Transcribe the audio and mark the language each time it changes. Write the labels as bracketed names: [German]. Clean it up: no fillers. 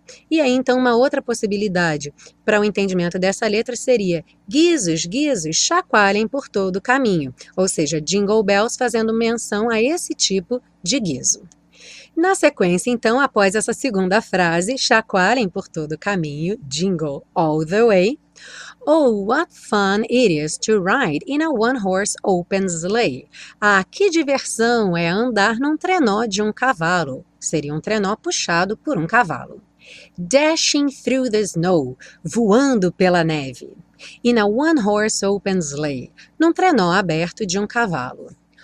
[Portuguese] E aí, então, uma outra possibilidade para o entendimento dessa letra seria guizos, guizos, chacoalhem por todo o caminho. Ou seja, Jingle Bells fazendo menção a esse tipo de guizo. Na sequência, então, após essa segunda frase, chacoalhem por todo o caminho, [English] Jingle All the Way. Oh, what fun it is to ride in a one-horse open sleigh. [Portuguese] Ah, que diversão é andar num trenó de um cavalo. Seria um trenó puxado por um cavalo. [English] Dashing through the snow, [Portuguese] voando pela neve. [English] In a one-horse open sleigh, [Portuguese] num trenó aberto de um cavalo.